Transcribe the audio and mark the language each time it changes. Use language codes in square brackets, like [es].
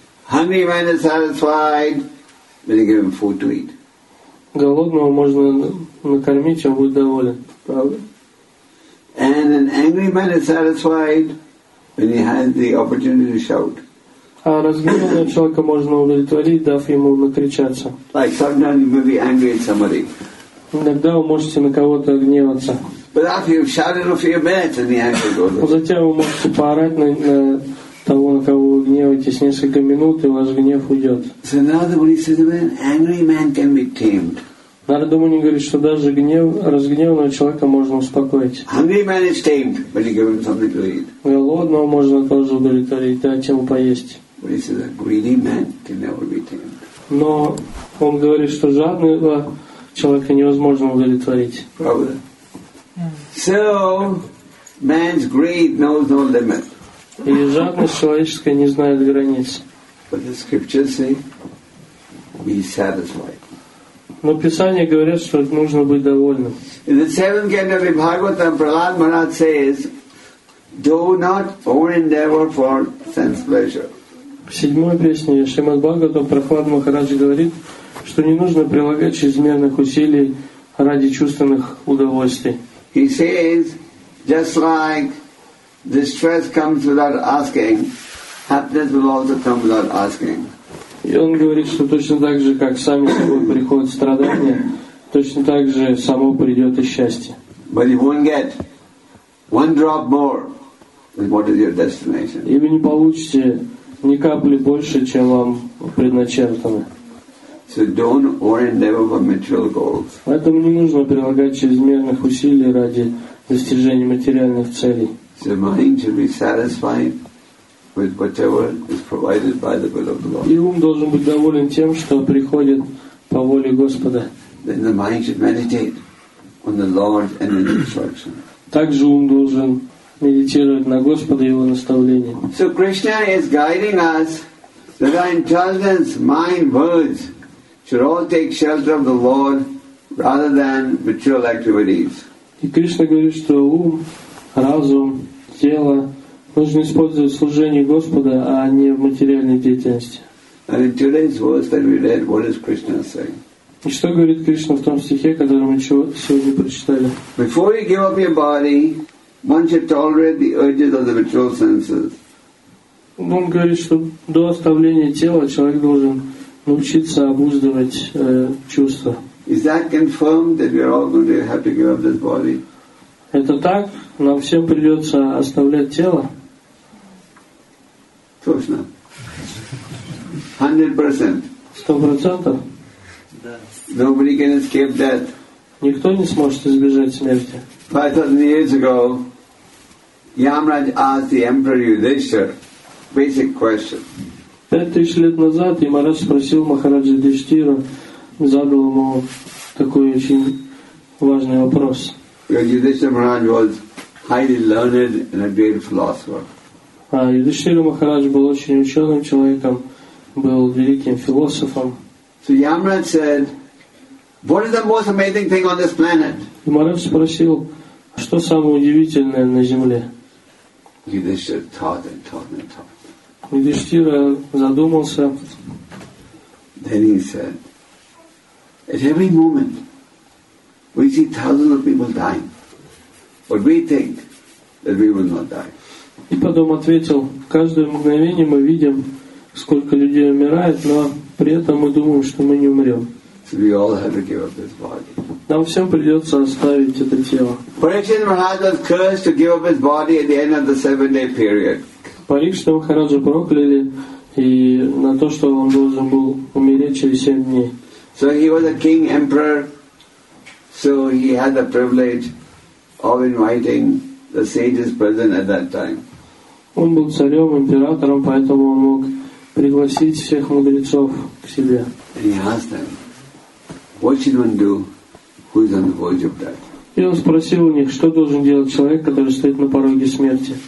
[en] Hungry man is satisfied when you give him food to eat. [ru] Голодного можно накормить, он будет доволен. Правда? [en] And an angry man is satisfied when he has the opportunity to shout. [ru] А разгневанного человека можно удовлетворить, дав ему накричаться. [en] Like sometimes you may be angry at somebody. [ru] Иногда вы можете на кого-то гневаться. [en] But after you've shouted a few minutes, and the anger goes away. [ru] Затем вы можете поорать на того, на кого вы гневаетесь, несколько минут, и у вас гнев уйдет. [en] So now the Buddha says, an angry man can be tamed. [ru] Нарада Муни говорит, что даже гнев, разгневанного человека можно успокоить. [en] Hungry man is tamed when you give him something to eat. [ru] Голодного можно тоже удовлетворить, дать ему поесть. [en] But he says, a greedy man can never be tamed. [ru] Но он говорит, что жадного человека невозможно удовлетворить. Правда? [en] So, man's greed knows no limit. [ru] И жадность человеческая не знает границ. [en] But the scriptures say, be satisfied. [ru] Но Писание говорит, что нужно быть довольным. [en] In the seventh canto of Bhagavatam, Prahlad Maharaj says, do not own endeavor for sense pleasure. [ru] В седьмой песне Шримад Бхагаватам Прахлад Махарадж говорит, что не нужно прилагать чрезмерных усилий ради чувственных удовольствий. [en] He says, just like distress comes without asking, happiness will also come without asking. [ru] И он говорит, что точно так же, как сами с собой приходят страдания, точно так же само придет и счастье. [en] But you won't get one drop more than what is your destination. [ru] И вы не получите ни капли больше, чем вам предначертано. [en] So don't over endeavor for material goals. [ru] Поэтому не нужно прилагать чрезмерных усилий ради достижения материальных целей. [en] So mind should be satisfied with whatever is provided by the will of the Lord. [ru] И ум должен быть доволен тем, что приходит по воле Господа. [en] Then the mind should meditate on the Lord and His instruction. [ru] Также ум должен медитировать на Господа и Его наставления. [en] So Krishna is guiding us that our intelligence, mind, words should all take shelter of the Lord rather than material activities. [ru] И Кришна говорит, что ум, разум, тело нужно использовать в служении Господа, а не в материальной деятельности. [en] And in today's verse that we read, what is Krishna saying? [ru] И что говорит Кришна в том стихе, который мы сегодня прочитали? [en] Before you give up your body, one should tolerate the urges of the material senses. [ru] Он говорит, что до оставления тела человек должен научиться обуздывать чувства. [en] Is that confirmed that we are all going to have to give up this body? [ru] Это так? Нам всем придется оставлять тело? Точно. 100%. 100%? [en] Nobody can escape death. [ru] Никто не сможет избежать смерти. [en] 5,000 years ago, Yamraj asked the emperor Yudhishthira basic question. [ru] 5,000 лет назад Ямарадж спросил Махараджа Юдхиштхира, задал ему такой очень важный вопрос. [en] Yudhishthira Maharaj was highly learned and a great philosopher. [ru] А Юдхиштхира Махарадж был очень ученым человеком, был великим философом. [en] So Yamraj said, what is the most amazing thing on this planet? [ru] Yamaraj спросил, что самое удивительное на Земле? [en] Yudhishthira thought and thought and thought. [ru] Yudhishthira задумался. [en] Then he said, at every moment we see thousands of people dying. But we think that we will not die. [ru] И потом ответил, каждое мгновение мы видим, сколько людей умирает, но при этом мы думаем, что мы не умрем. [en] We all have to give up this body. [ru] Нам всем придется оставить это тело. [en] Parikshit Maharaj was cursed to give up his body at the end of the 7-day period. [ru] Парикшита Махараджа прокляли и на то, что он должен был умереть через 7 дней. [en] So he was a king emperor, so he had the privilege of inviting the sages present at that time. [ru] Он был царем, императором, поэтому он мог пригласить всех мудрецов к себе. [en] And he asked them, what should one do who is on the verge of death? [ru] И он спросил у них, что должен делать человек, который стоит на пороге смерти.